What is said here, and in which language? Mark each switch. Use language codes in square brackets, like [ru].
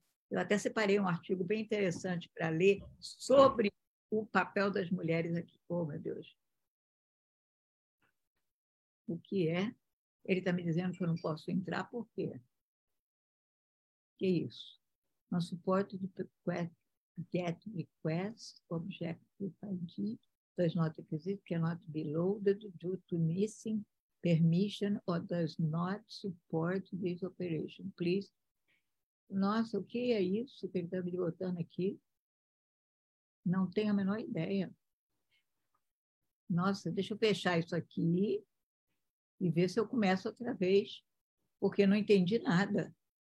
[pt] Eu até separei um artigo bem interessante para ler sobre o papel das mulheres aqui. Oh, meu Deus. O que é? Ele está me dizendo que eu não posso entrar, por quê? Que isso? Não suporto do [en] get request, object ID, does not exist, cannot be loaded due to missing permission or does not support this operation. Please. [pt] Nossa, o que é isso que ele está me botando aqui? Não tenho a menor ideia. Nossa, deixa eu fechar isso aqui e ver se eu começo outra vez, porque não entendi nada.